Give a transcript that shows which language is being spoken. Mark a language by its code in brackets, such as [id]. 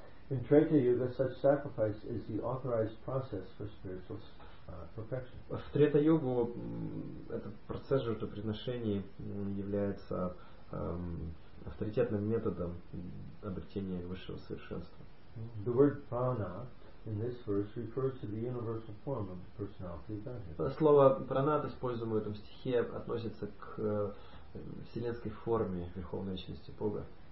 [en] In Treta Yuga, such sacrifice is the authorized process for spiritual perfection. [ru] В Трета Югу этот процесс жертвоприношений является авторитетным методом обретения высшего совершенства. [en] The word prana in this verse refers to the universal form of the personality of Godhead. [ru] Слово пранат, используемое в этом стихе, относится к вселенской форме Верховной Личности Бога.